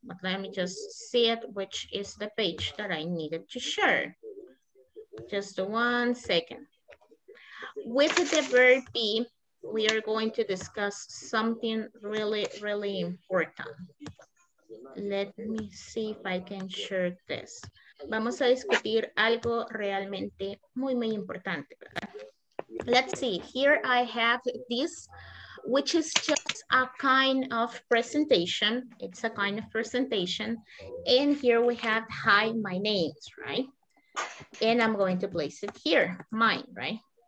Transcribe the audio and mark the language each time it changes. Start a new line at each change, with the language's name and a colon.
English: But let me just see it, which is the page that I needed to share. Just 1 second. With the verb be, we are going to discuss something really, really important. Let me see if I can share this.
Spanish: Vamos a discutir algo realmente muy, muy importante.
English: Let's see. Here I have this, which is just a kind of presentation. It's a kind of presentation. And here we have, hi, my name, right? And I'm going to place it here, mine, right?